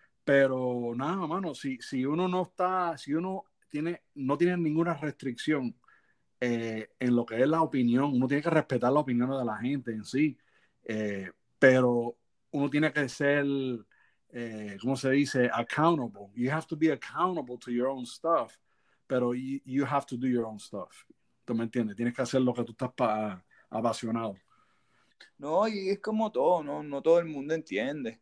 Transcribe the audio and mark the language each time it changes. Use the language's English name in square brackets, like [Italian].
[Spanish] Pero nada, mano, si uno no está, si uno no tiene ninguna restricción en lo que es la opinión, uno tiene que respetar la opinión de la gente en sí, pero uno tiene que ser, ¿cómo se dice? [English] Accountable. You have to be accountable to your own stuff, pero you have to do your own stuff. [Spanish] ¿Tú me entiendes? Tienes que hacer lo que tú estás apasionado. No, y es como todo, ¿no? No todo el mundo entiende.